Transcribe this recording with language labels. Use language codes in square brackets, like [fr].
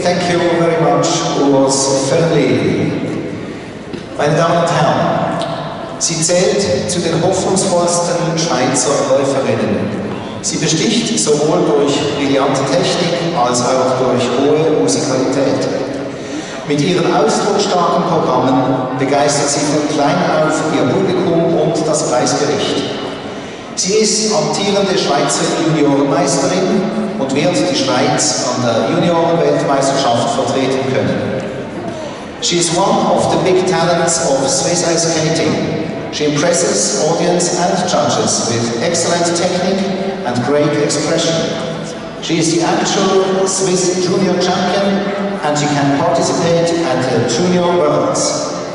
[en] Thank you very much, Urs Fernley. [de] Meine Damen und Herren, sie zählt zu den hoffnungsvollsten Schweizer Läuferinnen. Sie besticht sowohl durch brillante Technik als auch durch hohe Musikalität. Mit ihren ausdrucksstarken Programmen begeistert sie von klein auf ihr Publikum und das Preisgericht. Sie ist amtierende Schweizer Juniorenmeisterin und wird die Schweiz an der Juniorenweltmeisterschaft vertreten können. [en] She is one of the big talents of Swiss ice skating. She impresses audience and judges with excellent technique and great expression. She is the actual Swiss junior champion and she can participate at the junior worlds.